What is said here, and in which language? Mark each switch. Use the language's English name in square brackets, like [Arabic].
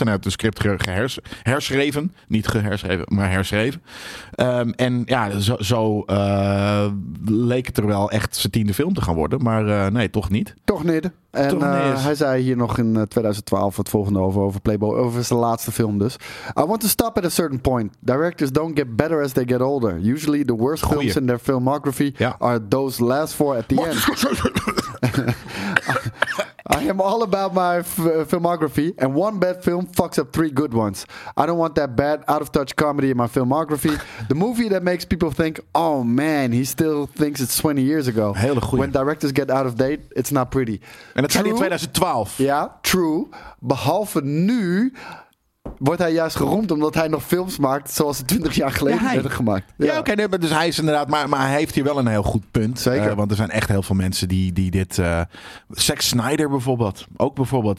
[Dutch] En uit het script herschreven. Niet geherschreven, maar herschreven. En ja, zo leek het er wel echt zijn 10e film te gaan worden. Maar nee, toch niet. Toch niet. En hij zei hier nog in 2012 het volgende over Playboy. Over zijn laatste film dus. [English] I want to stop at a certain point. Directors don't get better as they get older. Usually the worst films in their filmography are those last four at the end. I am all about my filmography and one bad film fucks up three good ones. I don't want that bad out of touch comedy in my filmography. The movie that makes people think, oh man, he still thinks it's 20 years ago. [Dutch] Hele goeie. [English] When directors get out of date, it's not pretty. [Dutch] En dat zei hij in 2012. [English] Ja, yeah, true. [Dutch] Behalve nu wordt hij juist geroemd omdat hij nog films maakt zoals ze 20 jaar geleden werden gemaakt. Ja, oké. Okay, dus hij is inderdaad, maar hij heeft hier wel een heel goed punt. Zeker. Want er zijn echt heel veel mensen die dit... Zack Snyder bijvoorbeeld. Ook bijvoorbeeld.